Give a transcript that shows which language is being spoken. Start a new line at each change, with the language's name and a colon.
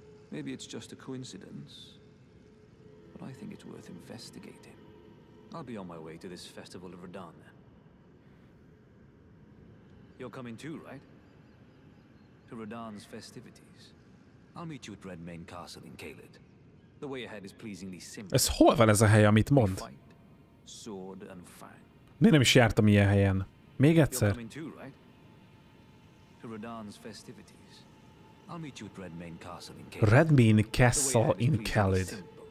English: Maybe it's just a coincidence, but I think it's worth investigating. I'll be on my way to this festival of Radahn then. You're coming too, right? To Radahn's festivities. I'll meet you at Redmayne Castle in Caelid. The way ahead is pleasingly simple.
Hungarian: Ez hol van ez a hely, amit mond?
English: Sword and fang.
Hungarian: Még nem is jártam ilyen helyen. Még egyszer.
English: You're coming too, right? To Radahn's festivities. I'll meet you at Redmayne Castle in Caelid. Redmayne Castle in Caelid.